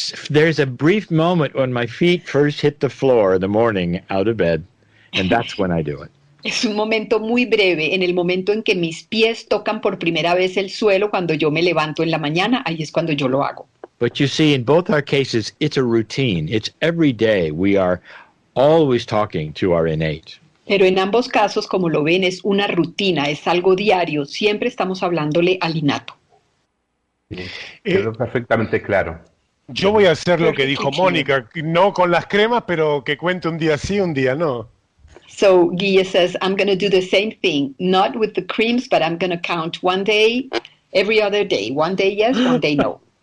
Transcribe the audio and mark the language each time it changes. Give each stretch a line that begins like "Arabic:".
English: There's a brief moment when my feet first hit the floor in the morning out of bed, and that's when I do it.
Spanish: Es un momento muy breve, en el momento en que mis pies tocan por primera vez el suelo cuando yo me levanto en la mañana, ahí es cuando yo lo hago.
English: But you see, in both our cases, it's a routine. It's every day we are always talking to our innate.
Spanish: Pero en ambos casos, como lo ven, es una rutina, es algo diario. Siempre estamos hablándole al innato. Sí, quedó perfectamente claro. Yo voy a hacer lo que dijo Mónica, no con las cremas, pero que cuente un día sí, un día no.
English: So Guille says, I'm going to do the same thing, not with the creams, but I'm going to count one day, every other day, one day yes, one day no.